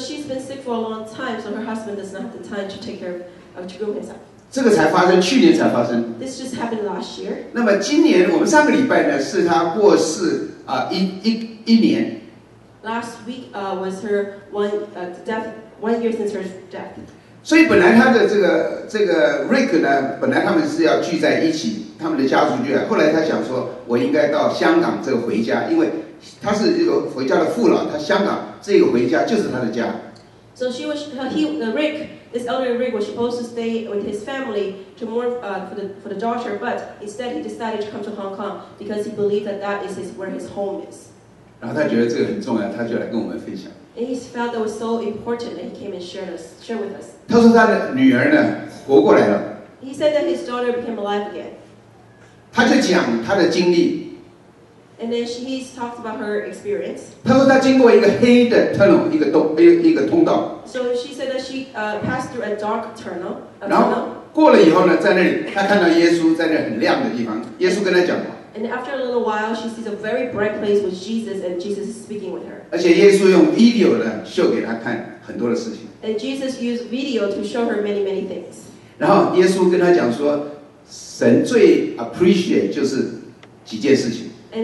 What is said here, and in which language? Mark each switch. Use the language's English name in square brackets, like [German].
[English] she's been sick for a long time, so her husband does not have the time to take care of to groom himself. [Chinese] 这个才发生，去年才发生。 [English] This just happened last year. [Chinese] 那么今年我们上个礼拜呢，是她过世一年。 [English] Last week was her one year since her death. [Chinese] 所以本来他的这个 Rick 呢，本来他们是要聚在一起，他们的家族聚在。后来他想说，我应该到香港这个回家，因为他是一个回家的父老，他香港这个回家就是他的家。 [English] So Rick, this elder Rick, was supposed to stay with his family to mourn for the daughter, but instead he decided to come to Hong Kong because he believed that that is where his home is. [Chinese] 然后他觉得这个很重要，他就来跟我们分享。 [English] And he felt that was so important that he came and shared with us. [Chinese] 他说他的女儿呢活过来了。 [English] He said that his daughter became alive again. [Chinese] 他就讲他的经历。 [English] And then he talked about her experience. [Chinese] 他说他经过一个黑的 tunnel， 一个通道。 [English] So she said that she passed through a dark tunnel. [Chinese] 然后过了以后呢，在那里他看到耶稣在那很亮的地方，耶稣跟他讲话。 [English] And after a little while, she sees a very bright place with Jesus, and Jesus is speaking with her. [Chinese] 而且耶稣用 video 呢，秀给她看很多的事情。 [English] And Jesus used video to show her many things. [Chinese] 然后耶稣跟她讲说，神最 appreciate 就是几件事情。 [English] And